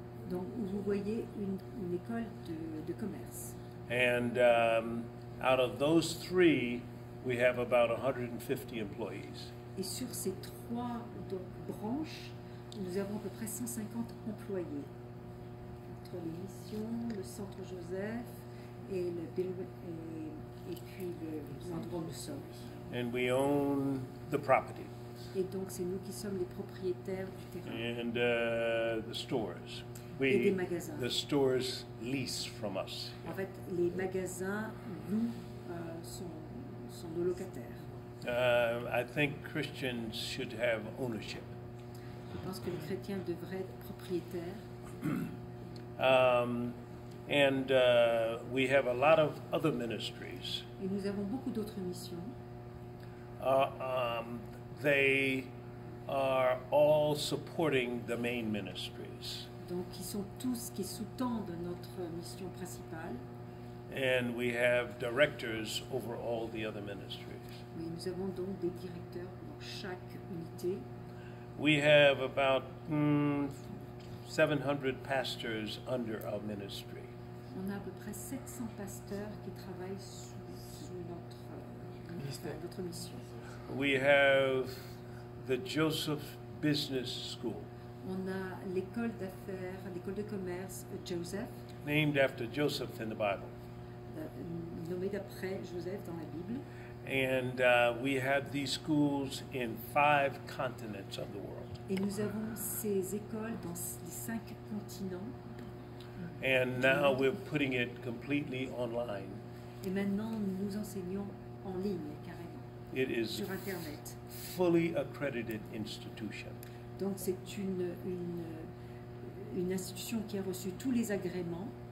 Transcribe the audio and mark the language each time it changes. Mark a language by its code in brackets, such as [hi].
[fr] Donc où vous voyez une école de commerce. [en] And out of those three, we have about 150 employees. [fr] Et sur ces trois donc, branches. Nous avons à peu près 150 employés entre l'émission, le centre Joseph et le et puis l'endroit où nous sommes. [en] And we own the property. [fr] Et donc c'est nous qui sommes les propriétaires du terrain. [en] And the stores. [fr] Et des magasins. [en] The stores lease from us. [fr] En fait, les magasins nous sont nos locataires. [en] I think Christians should have ownership. [fr] Je pense que les chrétiens devraient être propriétaires. [en] We have a lot of other ministries. [fr] Et nous avons beaucoup d'autres missions. [en] They are all supporting the main ministries. [fr] Donc ils sont tous qui sous-tendent notre mission principale. [en] And we have directors over all the other ministries. [fr] Oui, nous avons donc des directeurs pour chaque unité. [en] We have about 700 pastors under our ministry. [fr] On a à peu près 700 pasteurs qui travaillent sous notre mission. [en] We have the Joseph Business School. [fr] On a l'école d'affaires, l'école de commerce Joseph. [en] Named after Joseph in the Bible. [fr] Nommé d'après Joseph dans la Bible. [en] And we have these schools in 5 continents of the world. [fr] Et nous avons ces écoles dans les 5 continents. [en] And now we're putting it completely online. [fr] Et maintenant, nous enseignons en ligne, carrément, [en] it is [fr] sur Internet. [en] Fully accredited institution. [fr] Donc, c'est une institution qui a reçu tous les agréments.